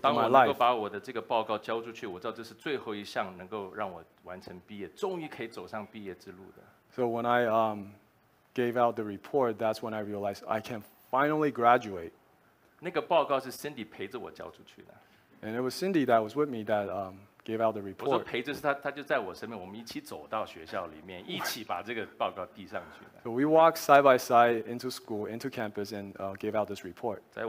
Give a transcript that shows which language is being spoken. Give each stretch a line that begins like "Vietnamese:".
Chinese: 当我能够把我的这个报告交出去，我知道这是最后一项能够让我完成毕业，终于可以走上毕业之路的。
English: So when I gave out the report, that's when I realized I can finally graduate.
Chinese: 那个报告是Cindy陪着我交出去的。
English: And it was Cindy that was with me that gave out the report.
Chinese: 我说陪着是他，他就在我身边，我们一起走到学校里面，一起把这个报告递上去的。
English: So we walked side by side into school, into campus, and gave out this report.